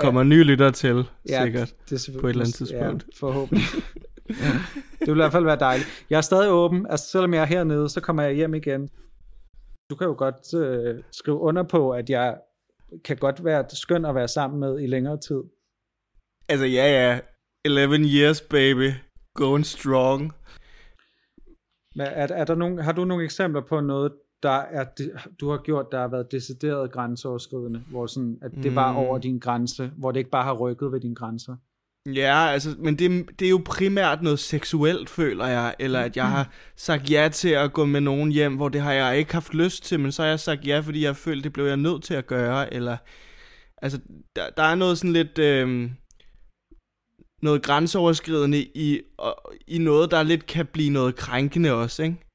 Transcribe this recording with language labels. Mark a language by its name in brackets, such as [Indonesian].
[Danish] Der kommer nye lytter til, sikkert, ja, det på et eller andet tidspunkt. Ja, forhåbentlig. Det vil i hvert fald være dejligt. Jeg er stadig åben, altså selvom jeg er hernede, så kommer jeg hjem igen. Du kan jo godt skrive under på, at jeg kan godt være skøn at være sammen med i længere tid. Altså ja, ja. [English] 11 years baby, going strong. [Danish] Har du nogle eksempler på noget, du har gjort, der har været decideret grænseoverskridende, hvor sådan, at det var over din grænse, hvor det ikke bare har rykket ved dine grænser? Ja, altså, men det er jo primært noget seksuelt, føler jeg, eller at jeg har sagt ja til at gå med nogen hjem, hvor det har jeg ikke haft lyst til, men så har jeg sagt ja, fordi jeg følte, det blev jeg nødt til at gøre, eller, altså, der er noget sådan lidt, noget grænseoverskridende i noget, der lidt kan blive noget krænkende også, ikke?